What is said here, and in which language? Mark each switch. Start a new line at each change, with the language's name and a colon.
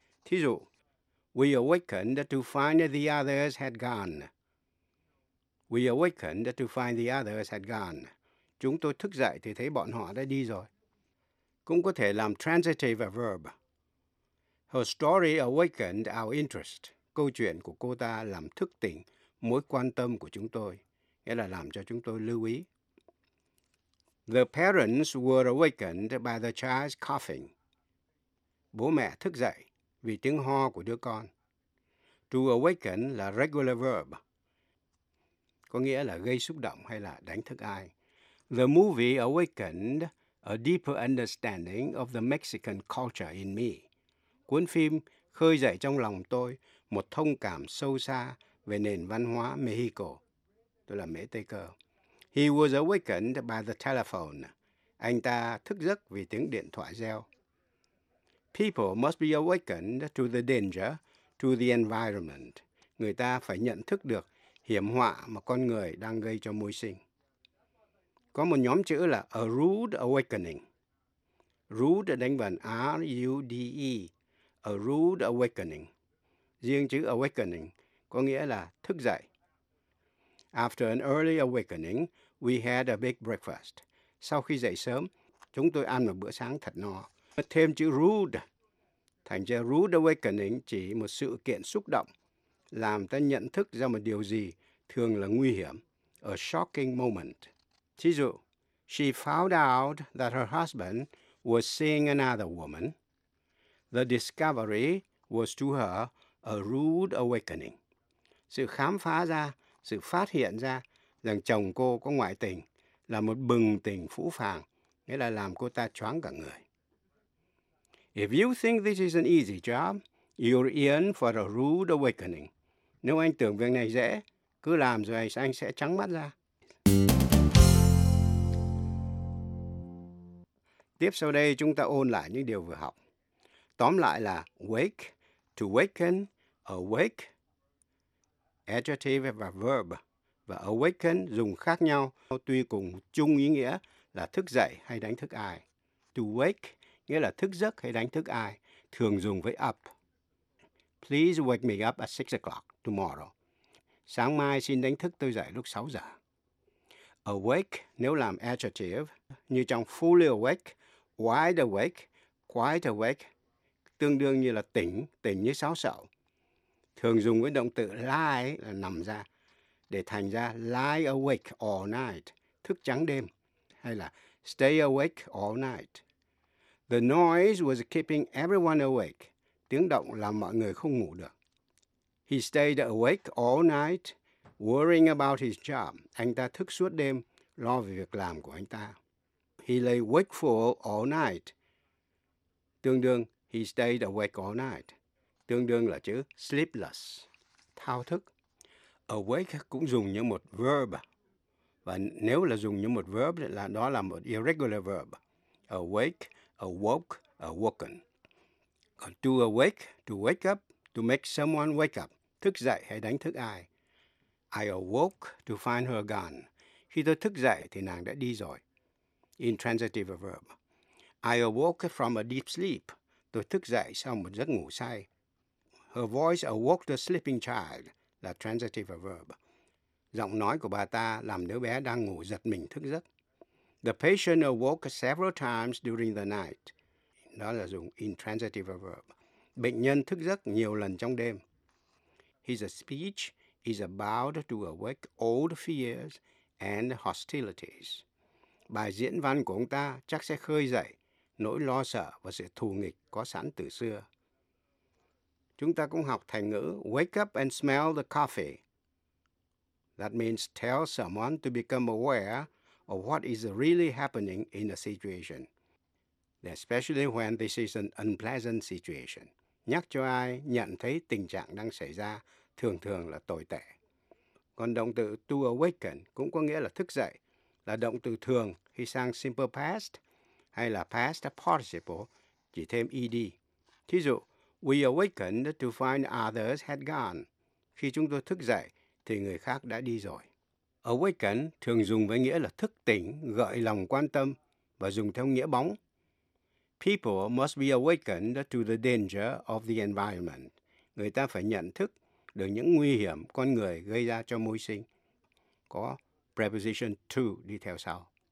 Vietnamese: Thí dụ,
English: we awakened to find that the others had gone. We awakened to find the others had gone.
Vietnamese: Chúng tôi thức dậy thì thấy bọn họ đã đi rồi. Cũng có thể làm transitive a verb.
English: Her story awakened our interest.
Vietnamese: Câu chuyện của cô ta làm thức tỉnh mối quan tâm của chúng tôi, nghĩa là làm cho chúng tôi lưu ý.
English: The parents were awakened by the child's coughing.
Vietnamese: Bố mẹ thức dậy vì tiếng ho của đứa con. To awaken là regular verb, có nghĩa là gây xúc động hay là đánh thức ai.
English: The movie awakened a deeper understanding of the Mexican culture in me.
Vietnamese: Cuốn phim khơi dậy trong lòng tôi một thông cảm sâu xa về nền văn hóa Mexico. Tôi là Mễ Tây Cơ.
English: He was awakened by the telephone.
Vietnamese: Anh ta thức giấc vì tiếng điện thoại reo.
English: People must be awakened to the danger to the environment.
Vietnamese: Người ta phải nhận thức được hiểm họa mà con người đang gây cho môi sinh. Có một nhóm chữ là
English: a rude awakening.
Vietnamese: Rude đánh vần R-U-D-E.
English: A rude awakening.
Vietnamese: Riêng chữ awakening có nghĩa là thức dậy.
English: After an early awakening, we had a big breakfast.
Vietnamese: Sau khi dậy sớm, chúng tôi ăn một bữa sáng thật no. Thêm chữ rude. Thành ra rude awakening chỉ một sự kiện xúc động, làm ta nhận thức ra một điều gì thường là nguy hiểm.
English: A shocking moment.
Vietnamese: Thí dụ,
English: she found out that her husband was seeing another woman. The discovery was to her a rude awakening.
Vietnamese: Sự khám phá ra, sự phát hiện ra rằng chồng cô có ngoại tình là một bừng tỉnh phũ phàng, nghĩa là làm cô ta choáng cả người.
English: If you think this is an easy job, you're in for a rude awakening.
Vietnamese: Nếu anh tưởng việc này dễ, cứ làm rồi anh sẽ trắng mắt ra. Tiếp sau đây chúng ta ôn lại những điều vừa học. Tóm lại là wake, to waken, awake, adjective và verb. Và awaken dùng khác nhau, tuy cùng chung ý nghĩa là thức dậy hay đánh thức ai. To wake nghĩa là thức giấc hay đánh thức ai, thường dùng với up.
English: Please wake me up at 6 o'clock tomorrow.
Vietnamese: Sáng mai xin đánh thức tôi dậy lúc 6 giờ. Awake nếu làm adjective, như trong
English: fully awake, wide awake, quite awake,
Vietnamese: tương đương như là tỉnh, tỉnh như sáo sậu. Thường dùng với động từ lie là nằm ra, để thành ra
English: lie awake all night,
Vietnamese: thức trắng đêm, hay là
English: stay awake all night. The noise was keeping everyone awake.
Vietnamese: Tiếng động làm mọi người không ngủ được.
English: He stayed awake all night, worrying about his job.
Vietnamese: Anh ta thức suốt đêm, lo về việc làm của anh ta.
English: He lay wakeful all night.
Vietnamese: Tương đương,
English: he stayed awake all night.
Vietnamese: Tương đương là chữ sleepless, thao thức. Awake cũng dùng như một verb. Và nếu là dùng như một verb, là đó là một irregular verb.
English: Awake, awoke, awoken. Còn to awake, to wake up, to make someone wake up,
Vietnamese: thức dậy hay đánh thức ai.
English: I awoke to find her gone.
Vietnamese: Khi tôi thức dậy thì nàng đã đi rồi.
English: Intransitive verb. I awoke from a deep sleep.
Vietnamese: Tôi thức dậy sau một giấc ngủ say.
English: Her voice awoke the sleeping child. Là transitive verb.
Vietnamese: Giọng nói của bà ta làm đứa bé đang ngủ giật mình thức giấc.
English: The patient awoke several times during the night.
Vietnamese: Đó là dùng intransitive verb. Bệnh nhân thức giấc nhiều lần trong đêm.
English: His speech is about to awake old fears and hostilities.
Vietnamese: Bài diễn văn của ông ta chắc sẽ khơi dậy nỗi lo sợ và sự thù nghịch có sẵn từ xưa. Chúng ta cũng học thành ngữ
English: wake up and smell the coffee. That means tell someone to become aware of what is really happening in a situation, especially when this is an unpleasant situation.
Vietnamese: Nhắc cho ai nhận thấy tình trạng đang xảy ra thường thường là tồi tệ. Còn động từ to awaken cũng có nghĩa là thức dậy, là động từ thường khi sang simple past hay là past participle, chỉ thêm ed. Thí dụ,
English: we awakened to find others had gone.
Vietnamese: Khi chúng tôi thức dậy thì người khác đã đi rồi. Awaken thường dùng với nghĩa là thức tỉnh, gợi lòng quan tâm và dùng theo nghĩa bóng.
English: People must be awakened to the danger of the environment.
Vietnamese: Người ta phải nhận thức được những nguy hiểm con người gây ra cho môi sinh. có preposition to đi theo sau.